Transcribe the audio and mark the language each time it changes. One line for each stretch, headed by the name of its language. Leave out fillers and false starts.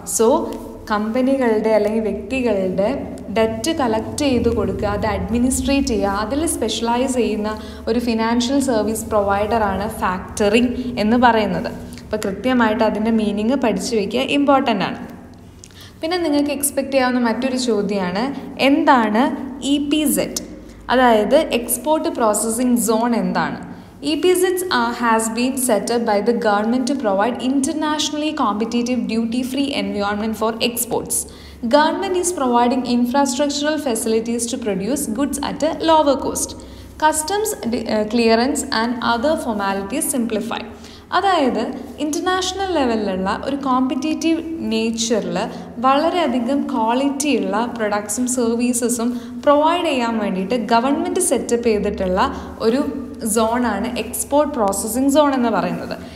Malayalam: So കമ്പനികളുടെ അല്ലെങ്കിൽ വ്യക്തികളുടെ ഡെറ്റ് കളക്ട് ചെയ്ത് കൊടുക്കുക, അത് അഡ്മിനിസ്ട്രേറ്റ് ചെയ്യുക, അതിൽ സ്പെഷ്യലൈസ് ചെയ്യുന്ന ഒരു ഫിനാൻഷ്യൽ സർവീസ് പ്രൊവൈഡറാണ് ഫാക്ടറിങ് എന്ന് പറയുന്നത്. അപ്പോൾ കൃത്യമായിട്ട് അതിൻ്റെ മീനിങ് പഠിച്ചു വയ്ക്കുക, ഇമ്പോർട്ടൻ്റ് ആണ്. പിന്നെ നിങ്ങൾക്ക് എക്സ്പെക്ട് ചെയ്യാവുന്ന മറ്റൊരു ചോദ്യമാണ്, എന്താണ് EPZ? അതായത് എക്സ്പോർട്ട് പ്രോസസ്സിംഗ് സോൺ എന്താണ്?
English: EPZs has been set up by the government to provide internationally competitive duty-free environment for exports. Government is providing infrastructural facilities to produce goods at a lower cost. Customs clearance and other formalities simplify.
Malayalam: അതായത് international ലെവലിലുള്ള ഒരു competitive നേച്ചറിൽ വളരെയധികം ക്വാളിറ്റിയുള്ള പ്രൊഡക്ട്സും സർവീസസും provide ചെയ്യാൻ വേണ്ടിയിട്ട് government setup ചെയ്തിട്ടുള്ള ഒരു സോണാണ് export processing zone എന്ന് പറയുന്നത്.